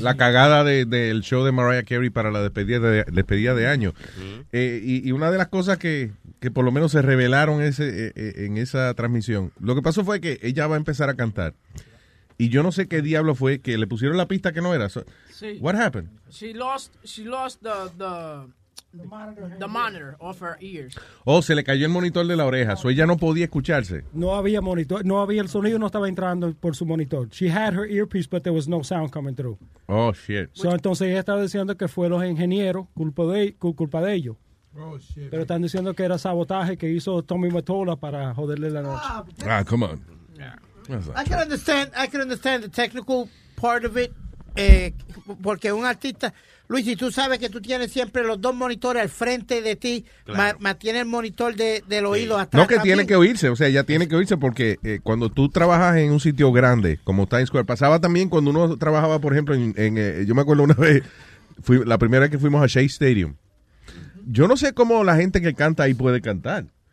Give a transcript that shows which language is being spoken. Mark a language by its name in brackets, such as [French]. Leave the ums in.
[Spanish] la cagada del de, de, show de Mariah Carey para la despedida de, despedida de año. Uh -huh. eh, y, y, una de las cosas que, que por lo menos se revelaron ese, eh, eh, en esa transmisión, lo que pasó fue que ella va a empezar a cantar. Y yo no sé qué diablo fue que le pusieron la pista que no era. [English] So, Sí. What happened? She lost she lost the the The, the monitor, right monitor right. of her ears. [Spanish] Oh, se le cayó el monitor de la oreja. o [English] so [Spanish] ella no podía escucharse. No había monitor. No había el sonido. No estaba entrando por su monitor. [English] She had her earpiece, but there was no sound coming through. Oh, shit. [Spanish] So, entonces ella estaba diciendo que fue los ingenieros culpa de, culpa de ellos. [English] Oh, shit. [Spanish] Pero están diciendo que era sabotaje que hizo Tommy Matola para oh, joderle la noche. [English] Ah, come on. Yeah. I, true. can understand, I can understand the technical part of it. [Spanish] Eh, porque un artista, Luis, y tú sabes que tú tienes siempre los dos monitores al frente de ti, claro. mantiene más ma, tiene el monitor de, del oído sí. atrás. No, que también. tiene que oírse, o sea, ya tiene que oírse porque eh, cuando tú trabajas en un sitio grande como Times Square, pasaba también cuando uno trabajaba, por ejemplo, en, en eh, yo me acuerdo una vez, fui, la primera vez que fuimos a Shea Stadium, yo no sé cómo la gente que canta ahí puede cantar.